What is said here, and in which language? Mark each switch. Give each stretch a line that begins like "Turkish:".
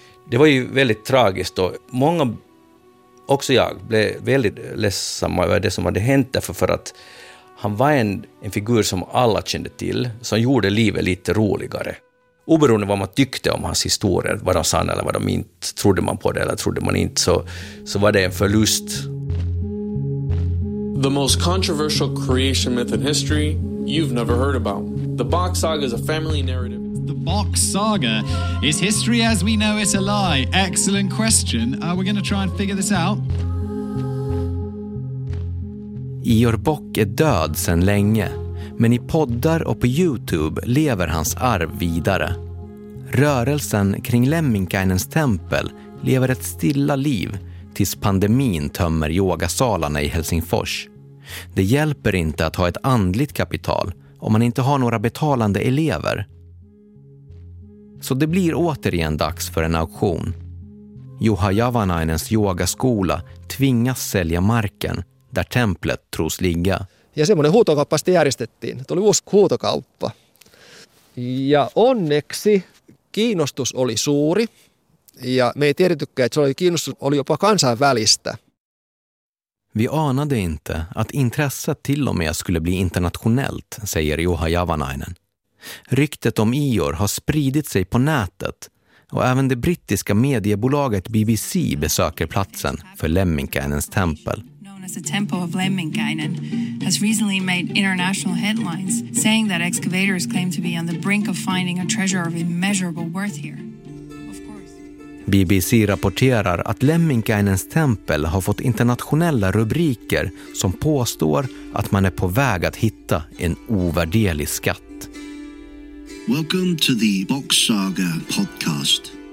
Swedish: Det var ju väldigt tragiskt och många, också jag, blev väldigt ledsamma över det som hade hänt därför, för att han var en figur som alla kände till, som gjorde livet lite roligare. Oberoende vad man tyckte om hans historier, vad de sann eller vad de inte, trodde man på det eller trodde man inte, så var det en förlust.
English: The most controversial creation myth in history you've never heard about. The Bock Saga is a family narrative. The Bock Saga, is history as we know it a lie? Excellent question. We're going to try and figure this out.
Swedish: Ior Bock är död sedan länge, men i poddar och på YouTube lever hans arv vidare. Rörelsen kring Lemminkainens tempel lever ett stilla liv tills pandemin tömmer yogasalarna i Helsingfors. Det hjälper inte att ha ett andligt kapital om man inte har några betalande elever. Så det blir återigen dags för en auktion. Juha Javanainens yogaskola tvingas sälja marken där templet tros ligga.
Finnish: Ja semmoinen huutokauppa sitten järjestettiin. Tuli uusi huutokauppa. Ja onneksi kiinnostus oli suuri. Ja me ei tiedettykään, että se oli kiinnostus oli jopa kansainvälistä.
Swedish: Vi anade inte att intresset till och med skulle bli internationellt, säger Juha Javanainen. Ryktet om Ior har spridit sig på nätet och även det brittiska mediebolaget BBC besöker platsen för Lemminkainens tempel.
English: As the temple of Lemminkainen has recently made international headlines, saying that excavators claim to be on the brink of finding a treasure of immeasurable worth here.
Swedish: BBC rapporterar att Lemminkainens tempel har fått internationella rubriker som påstår att man är på väg att hitta en ovärderlig skatt.
English: Welcome to the Bock Saga podcast.